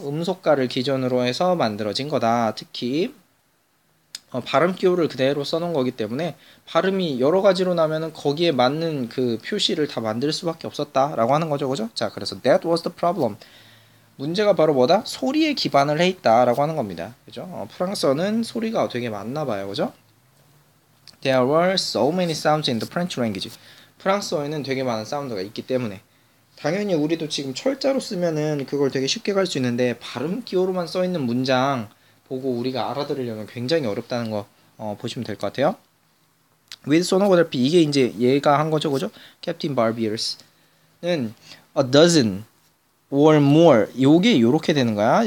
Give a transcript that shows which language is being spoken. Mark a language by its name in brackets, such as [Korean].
[Korean] 음속가를 기준으로 해서 만들어진 거다. 특히 발음 기호를 그대로 써놓은 거기 때문에 발음이 여러 가지로 나면은 거기에 맞는 그 표시를 다 만들 수밖에 없었다라고 하는 거죠. 그죠? 자, 그래서 [English] that was the problem. [Korean] 문제가 바로 뭐다? 소리에 기반을 해 있다라고 하는 겁니다. 그죠? 프랑스어는 소리가 되게 많나 봐요. 그죠? [English] There were so many sounds in the French language. [Korean] 프랑스어에는 되게 많은 사운드가 있기 때문에 당연히 우리도 지금 철자로 쓰면은 그걸 되게 쉽게 갈 수 있는데 발음 기호로만 써 있는 문장 보고 우리가 알아들으려면 굉장히 어렵다는 거 보시면 될 것 같아요. [English] With sonography [Korean] 이게 이제 얘가 한 거죠. 그죠? Captain Barbier's는 [English] a dozen or more [Korean] 요게 요렇게 되는 거야.